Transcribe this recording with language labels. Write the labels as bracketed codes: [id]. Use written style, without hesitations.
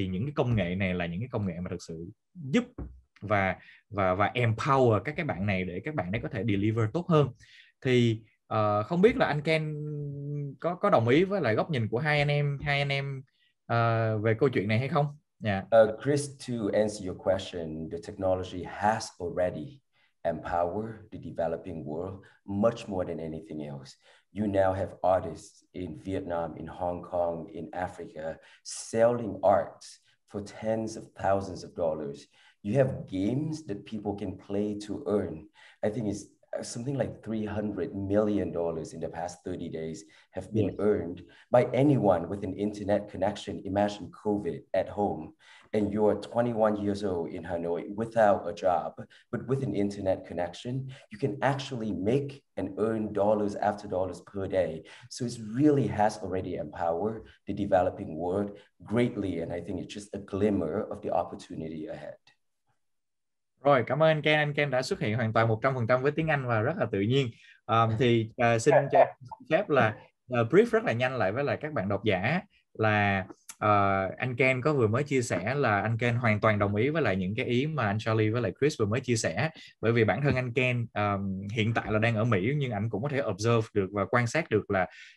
[vi] Thì những cái công nghệ này là những cái công nghệ mà thực sự giúp và empower các bạn này để các bạn ấy có thể deliver tốt hơn. Thì không biết là anh Ken có đồng ý với lại góc nhìn của hai anh em về câu chuyện này hay không? [en] Chris, to answer your question, the technology has already empowered the developing world much more than anything else. You now have artists in Vietnam, in Hong Kong, in Africa selling art for tens of thousands of dollars. You have games that people can play to earn. I think it's something like $300 million in the past 30 days have been earned by anyone with an internet connection. Imagine COVID at home and you're 21 years old in Hanoi without a job, but with an internet connection, you can actually make and earn dollars after dollars per day. So it really has already empowered the developing world greatly. And I think it's just a glimmer of the opportunity ahead. [vi] Rồi, cảm ơn Ken. Anh Ken đã xuất hiện hoàn toàn 100% với tiếng Anh và rất là tự nhiên. Thì xin cho phép là brief rất là nhanh lại với lại các bạn độc giả là anh Ken có vừa mới chia sẻ là anh Ken hoàn toàn đồng ý với lại những cái ý mà anh Charlie với lại Chris vừa mới chia sẻ, bởi vì bản thân anh Ken hiện tại là đang ở Mỹ, nhưng anh cũng có thể observe được và quan sát được là